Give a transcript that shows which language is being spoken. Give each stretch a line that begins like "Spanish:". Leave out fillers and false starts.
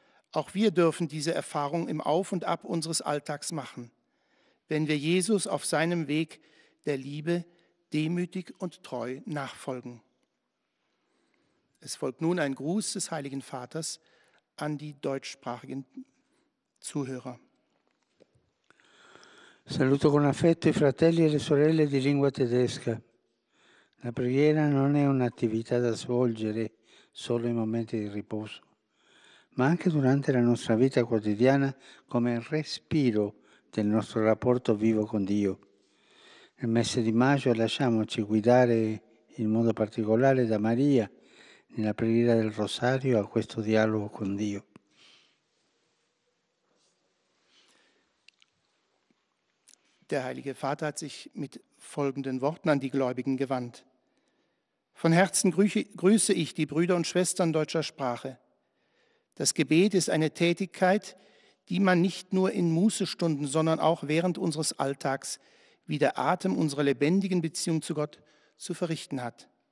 German: Auch wir dürfen diese Erfahrung im Auf und Ab unseres Alltags machen. wenn wir Jesus auf seinem Weg der Liebe demütig und treu nachfolgen. Es folgt nun ein Gruß des Heiligen Vaters an die deutschsprachigen Zuhörer.
Italian: Saluto con affetto i fratelli e le sorelle di lingua tedesca. La preghiera non è un'attività da svolgere solo in momenti di riposo, ma anche durante la nostra vita quotidiana come respiro del nostro rapporto vivo con Dio. Nel mese di maggio lasciamoci guidare in modo particolare da Maria nella preghiera del Rosario a questo dialogo con Dio.
German: Der Heilige Vater hat sich mit folgenden Worten an die Gläubigen gewandt. Von Herzen grüße ich die Brüder und Schwestern deutscher Sprache. Das Gebet ist eine Tätigkeit, die man nicht nur in Mußestunden, sondern auch während unseres Alltags wie der Atem unserer lebendigen Beziehung zu Gott zu verrichten hat.